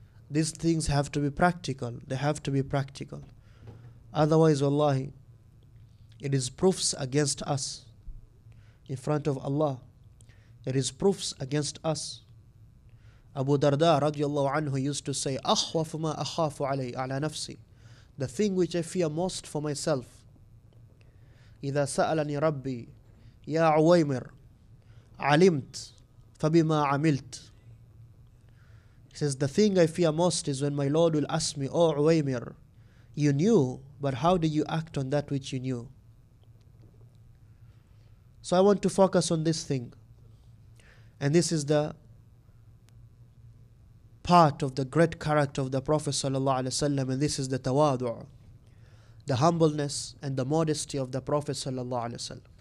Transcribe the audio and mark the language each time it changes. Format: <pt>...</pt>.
<en>These things have to be practical. They have to be practical. Otherwise, wallahi, it is proofs against us in front of Allah. It is proofs against us. Abu Darda radiallahu anhu used to say, أخوف ما أخاف علي على نفسي. The thing which I fear most for myself.</en> <ar>إذا سألني ربي يا عويمر علمت فبما عملت.</ar> <en>He says, the thing I fear most is when my Lord will ask me, O Uwaymir, you knew, but how did you act on that which you knew? So I want to focus on this thing. And this is the part of the great character of the Prophet sallallahu alaihi wasallam, and this is the tawadu, the humbleness and the modesty of the Prophet sallallahu alaihi wasallam.</en>